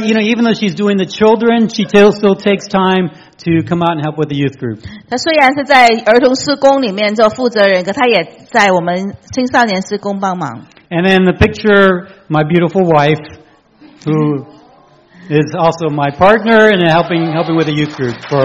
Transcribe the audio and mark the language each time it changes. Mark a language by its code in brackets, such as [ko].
[en] You know, even though she's doing the children, she still takes time to come out and help with the youth group. [zh] 她虽然是在儿童事工里面做负责人，可她也在我们青少年事工帮忙。 [en] And then the picture, my beautiful wife, who is also my partner and helping with the youth group for many years.